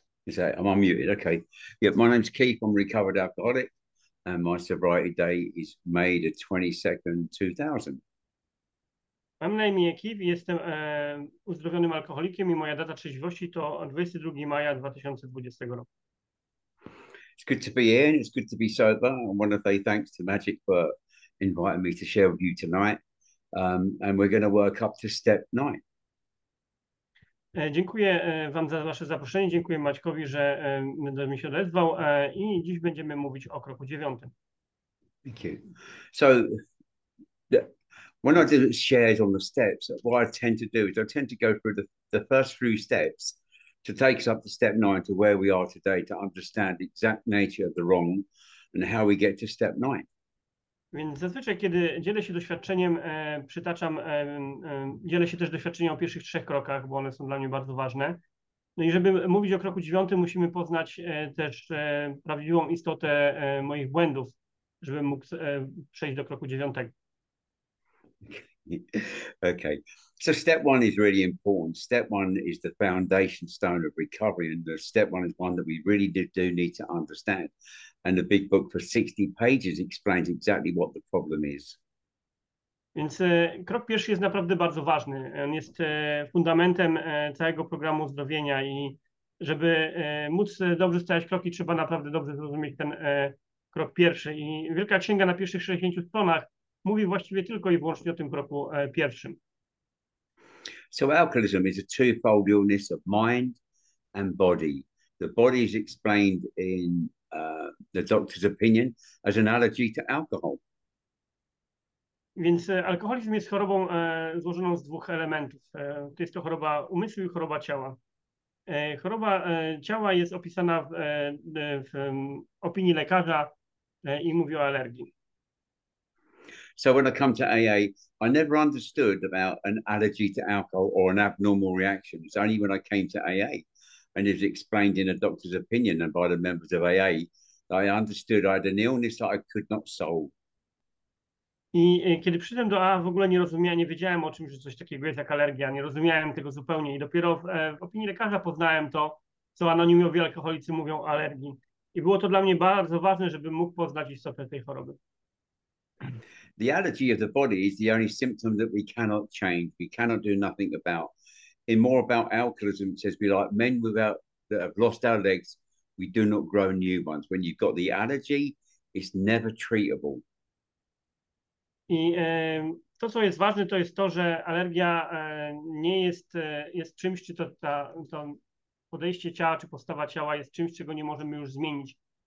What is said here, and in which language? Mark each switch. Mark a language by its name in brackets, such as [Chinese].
[English] Say I'm unmuted. Okay. Yeah, my name's Keith. I'm a recovered alcoholic, and my sobriety date is May 22, 2000. [Polish] Mam na imię Kiwi, jestem uzdrowionym alkoholikiem i moja data trzeźwości to 22 maja 2020 roku. [English] It's good to be here, and it's good to be sober. I want to say thanks to Magic for inviting me to share with you tonight. And we're going to work up to step nine. [Polish] Dziękuję Wam za Wasze zaproszenie, dziękuję Maćkowi, że mi się odezwał i dziś będziemy mówić o kroku dziewiątym. [English] Thank you. So, when I do shares on the steps, what I tend to do is I tend to go through the first few steps to take us up to step nine to where we are today to understand the exact nature of the wrong and how we get to step nine. [Polish] Więc zazwyczaj, kiedy dzielę się doświadczeniem, przytaczam, dzielę się też doświadczeniem o pierwszych trzech krokach, bo one są dla mnie bardzo ważne. No i żeby mówić o kroku dziewiątym, musimy poznać też prawdziwą istotę moich błędów, żebym mógł przejść do kroku dziewiątego. [English] Okay, so step one is really important. Step one is the foundation stone of recovery, and the step one is one that we really do need to understand. And the big book for 60 pages explains exactly what the problem is. [Polish] Więc krok pierwszy jest naprawdę bardzo ważny. On jest fundamentem całego programu uzdrowienia i żeby móc dobrze stawiać kroki, trzeba naprawdę dobrze zrozumieć ten krok pierwszy. I Wielka Księga na pierwszych 60 stronach mówi właściwie tylko i wyłącznie o tym kroku pierwszym. [English] So alcoholism is a twofold illness of mind and body. The body is explained in the doctor's opinion as an allergy to alcohol. [Polish] Więc alkoholizm jest chorobą złożoną z dwóch elementów. To jest to choroba umysłu i choroba ciała. Choroba ciała jest opisana w opinii lekarza i mówi o alergii. [English] So when I come to AA, I never understood about an allergy to alcohol or an abnormal reaction. It's only when I came to AA and it was explained in a doctor's opinion and by the members of AA that I understood I had an illness that I could not solve. [Polish] I kiedy przyszedłem do AA, w ogóle nie rozumiałem, nie wiedziałem o czymś, że coś takiego jest jak alergia, nie rozumiałem tego zupełnie i dopiero w opinii lekarza poznałem to, co anonimowi alkoholicy mówią o alergii. I było to dla mnie bardzo ważne, żebym mógł poznać istotę tej choroby. [English] The allergy of the body is the only symptom that we cannot change. We cannot do nothing about. In more about alcoholism, it says we like men without that have lost our legs. We do not grow new ones. When you've got the allergy, it's never treatable. [Polish] I to, co jest ważne, to jest to, że alergia nie jest, jest czymś, czy to podejście ciała, czy postawa ciała jest czymś, czego nie możemy już zmienić.